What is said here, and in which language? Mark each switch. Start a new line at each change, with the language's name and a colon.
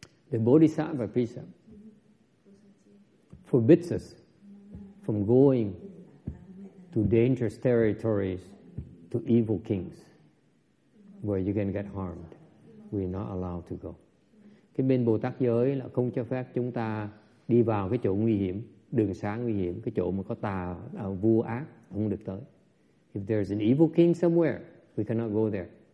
English: The Bodhisattva precept forbids us from going to dangerous territories, to evil kings, where you can get harmed. We're not allowed to go.
Vietnamese: Cái bên Bồ Tát giới là không cho phép chúng ta đi vào cái chỗ nguy hiểm, đường xá nguy hiểm, cái chỗ mà có tà, vua ác, không được tới.
English: If there's an evil king somewhere, we cannot go there.